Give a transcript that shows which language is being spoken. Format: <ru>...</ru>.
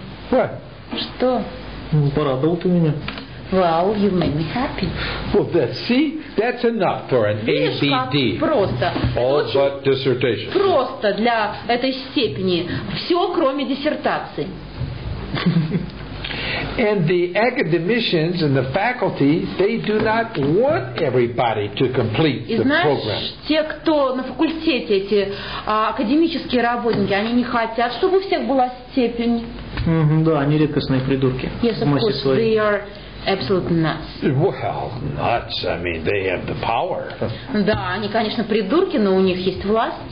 <en>What?</en> <ru>Что? Порадовал ты меня.</ru> <en>Well, you made me happy. Well, that's enough for an ABD.</en> <ru>Просто.</ru> <en>All but dissertation.</en> <ru>Просто для этой степени. Все, кроме диссертации.</ru> <en>And the academicians and the faculty, they do not want everybody to complete the program.</en> <ru>И знаешь, те, кто на факультете, эти академические работники, они не хотят, чтобы у всех была степень. Да, они редкостные придурки.</ru> <en>Yes, of course, they are absolute nuts. Well, nuts, I mean, they have the power.</en> <ru>Да, они, конечно, придурки, но у них есть власть.</ru>